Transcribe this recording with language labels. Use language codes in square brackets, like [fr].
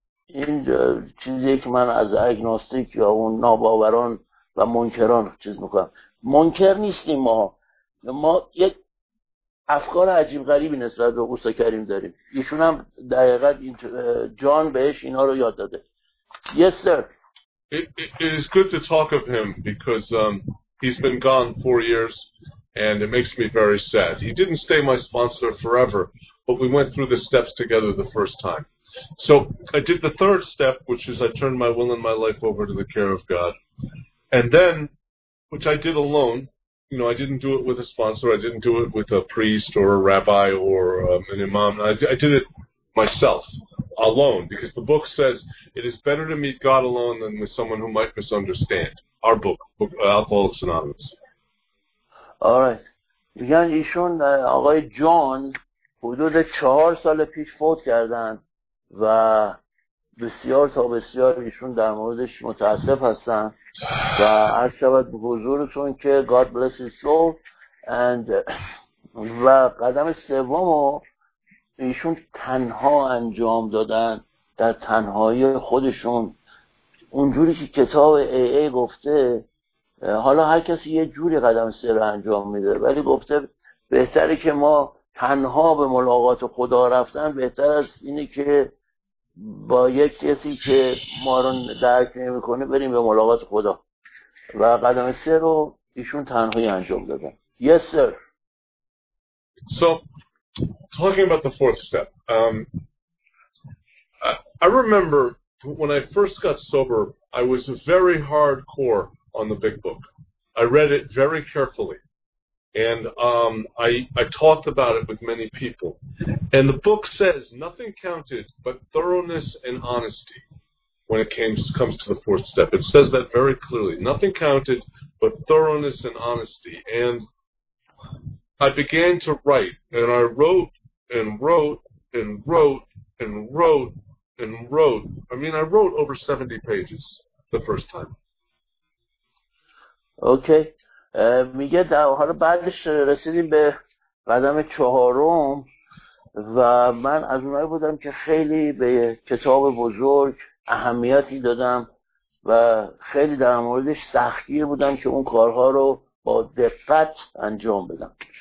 [fa] این چیزیه که من از اگناستیک یا اون ناباوران و منکران چیز میکنم. منکر نیستیم ما یک افکار عجیب غریبی نسبت به عیسی کریم داریم. ایشون هم دقیقاً این جان بهش اینا رو یاد داده. [en] Yes sir. It is good to talk of him because he's been gone 4 years and it makes me very sad. He didn't stay my sponsor forever, but we went through the steps together the first time. So I did the third step, which is I turned my will and my life over to the care of God. And then, which I did alone, you know, I didn't do it with a sponsor, I didn't do it with a priest or a rabbi or an imam. I did it myself, alone, because the book says it is better to meet God alone than with someone who might misunderstand. Our book, Alcoholics Anonymous. All right. [fa] میگن ایشون آقای جان حدود 4 سال پیش فوت کردن و بسیار تا بسیار ایشون در موردش متاسف هستن و عرض شود به حضورتون که [en] God bless his soul. And [fa] و قدم سوم رو ایشون تنها انجام دادن، در تنهایی خودشون، اونجوری که کتاب AA گفته. حالا هر کسی یه جوری قدم سه رو انجام میده، ولی گفته بهتره که ما تنها به ملاقات خدا رفتن بهتر از اینه که با یک کسی که ما رو درک نمی کنه بریم به ملاقات خدا. و قدم سه رو ایشون تنهایی انجام دادن. [en] Yes sir. So talking about the fourth step, I remember when I first got sober, I was very hardcore on the big book. I read it very carefully, and I talked about it with many people. And the book says nothing counted but thoroughness and honesty when it comes to the fourth step. It says that very clearly. Nothing counted but thoroughness and honesty. And I began to write, and I wrote and wrote and wrote and wrote and wrote. I mean, I wrote over 70 pages the first time. [fa] اوکی. میگه در حال بعدش رسیدیم به قدم چهارم و من از اونایی بودم که خیلی به کتاب بزرگ اهمیتی دادم و خیلی در موردش سختگیر بودم که اون کارها رو با دقت انجام بدم.